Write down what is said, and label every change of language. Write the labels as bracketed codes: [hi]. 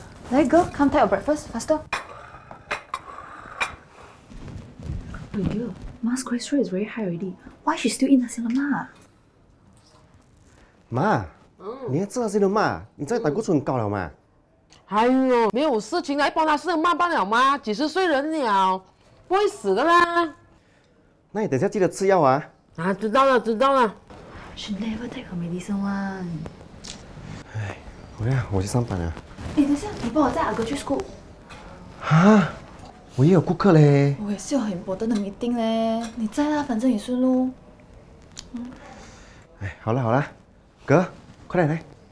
[zh] 来 [en] ，girl， come take your breakfast faster. Hey girl, Ma's cholesterol is very high already. Why she still eat nasi lemak? [zh] Ma, 你吃nasi lemak，你在胆固醇高了吗？哎呦，没有事情来帮他吃嘛，帮了吗？几十岁人了，不会死的啦。那你等下记得吃药啊。啊，知道了，知道了。 [en] She never take her medicine one. [zh] 哎，我呀，我去上班了。哎，等下你帮我带阿哥去 school。啊，我也有顾客嘞。我也是有很 [en] important [zh] 的 [en] meeting [zh] 嘞，你在啦，反正也顺路。嗯。哎，好了好了，哥，快点来。